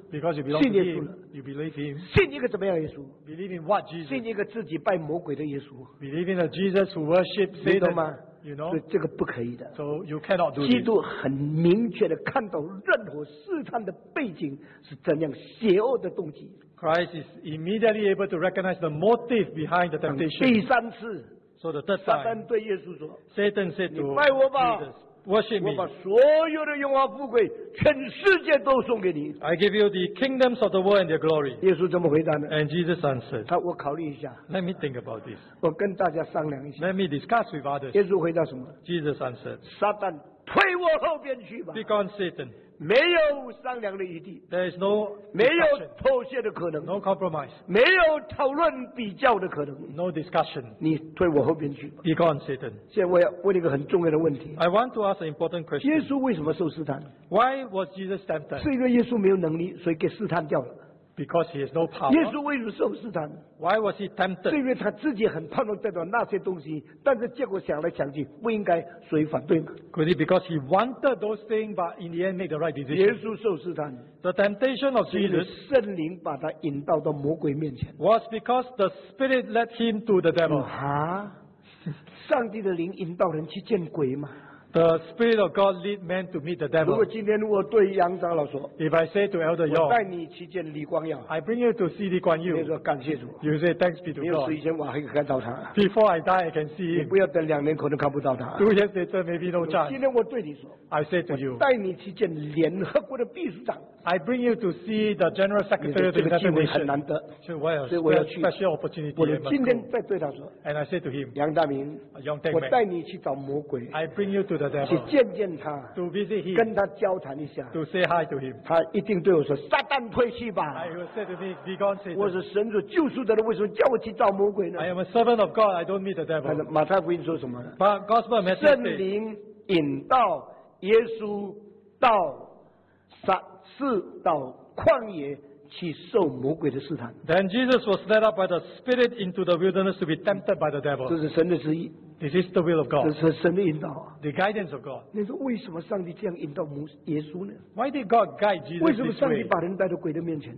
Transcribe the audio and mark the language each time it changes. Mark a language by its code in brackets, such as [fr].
[en] Because you belong to him. [zh] 信耶稣了。 [en] You believe him. [zh] 信一个怎么样耶稣 [en] ？Believe in what Jesus? [zh] 信一个自己拜魔鬼的耶稣。 [en] Believe in a Jesus who worships Satan. [zh] 你懂吗？ [en] You know, [zh] 所以这个不可以的。 [en] So you cannot do it. [zh] 基督很明确的看到任何试探的背景是怎样邪恶的动机。 [en] Christ is immediately able to recognize the motive behind the temptation. [zh] 第三次。 [en] So the third time. [zh] 撒旦对耶稣说。 [en] Satan said to Jesus, [zh] 你拜我吧。 [en] Worship me. [zh] 我把所有的荣华富贵，全世界都送给你。 [en] I give you the kingdoms of the world and their glory. [zh] 耶稣怎么回答呢 [en] ？And Jesus answered. [zh] 好，我考虑一下。 [en] Let me think about this. [zh] 我跟大家商量一下。 [en] Let me discuss with others. [zh] 耶稣回答什么 [en] ？Jesus answered. [zh] 撒旦，退我后边去吧。 [en] Be gone, Satan. [zh] 没有商量的余地。 [en] There is no. [zh] 没有妥协的可能。 [en] No compromise. [zh] 没有讨论比较的可能。 [en] No discussion. [zh] 你退我后边去吧。 [en] Be gone, Satan. [zh] 现在我要问一个很重要的问题。 [en] I want to ask an important question. [zh] 耶稣为什么受试探 [en] ？Why was Jesus tempted? [zh] 是因为耶稣没有能力，所以给试探掉了。 [en] Because he has no power. [zh] 耶稣为什么受试探 [en] ？Why was he tempted? [zh] 是因为他自己很盼望得到那些东西，但是结果想来想去，不应该所以反对吗 [en] ？Could it because he wanted those things, but in the end made the right decision? [zh] 耶稣受试探 [en] ，the temptation of Jesus, [zh] 圣灵把他引到到魔鬼面前 [en] ，was because the Spirit led him to the devil. [zh] 哈，上帝的灵引导人去见鬼吗？ [en] The Spirit of God lead men to meet the devil. [zh] 如果今天我对杨长老说 [en] ，If I say to Elder Yong, [zh] 我带你去见李光耀 [en] ，I bring you to see 李光耀。 [zh] 你说感谢主。 [en] You say thanks be to God. [zh] 没有死以前我还可以看到他。 [en] Before I die, I can see him. [zh] 你不要等两年可能看不到他。 [en] Two years later, maybe no chance. [zh] 今天我对你说 [en] ，I say to you, [zh] 我带你去见联合国的秘书长。 [en] I bring you to see the General Secretary of the United Nations. [zh] 这个机会很难得，所以我要去。 [en] Special opportunity. [zh] 我今天再对他说 [en] ，And I say to him, [zh] 杨大明 [en] ，Yong Teng Man, [zh] 我带你去找魔鬼。 [en] I bring you to the devil, [zh] 去见见他 [en] to visit him, [zh] 跟他交谈一下 [en] to say hi to him, [zh] 他一定对我说撒旦退去吧 [en] I will say to me, be gone, Satan. [zh] 我是神主救赎的人为什么叫我去找魔鬼呢 [en] I am a servant of God I don't meet the devil [zh] 马太福音说什么 [en] But gospel message [zh] 圣灵引到耶稣到撒是到旷野去受魔鬼的试探 [en] Then Jesus was led up by the Spirit into the wilderness to be tempted by the devil [zh] 这是神的旨意 [en] This is the will of God. [zh] 这是神的引导。 [en] The guidance of God. [zh] 你说为什么上帝这样引导耶稣呢 [en] ？Why did God guide Jesus? [zh] 为什么上帝把人带到鬼的面前